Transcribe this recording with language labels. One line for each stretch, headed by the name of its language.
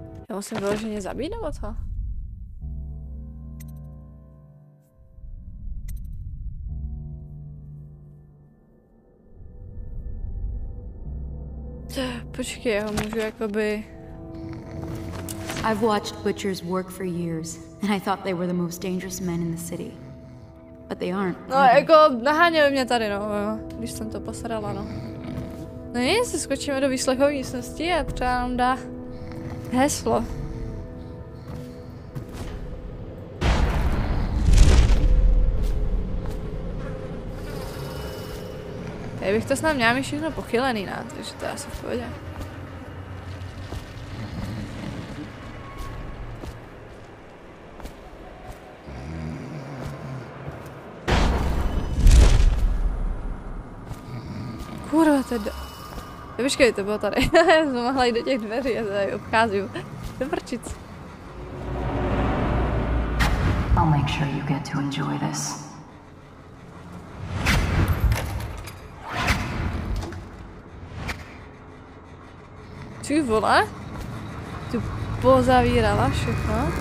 Czech: Já musím vyloženě zabít nebo co? Počkej, já ho můžu jakoby...
English: I've watched butchers work for years, and I thought they were the most dangerous men in the city. But they aren't.
Czech: No, jako, naháňuj mě tady, no, když jsem to posrala, no. No nic, skočíme do výslechové místnosti a třeba nám dá heslo. Tady bych to snad měla mít všechno pochylený, ne? Takže to je asi v pohodě. Kurva, to je do... Jo, počkej, to bylo tady. Já jsem mohla jít do těch dveří a tady obcházím. Do prčic.
English: I'll make sure you get to enjoy this.
Czech: Ty vole? Tu pozavírala všechno.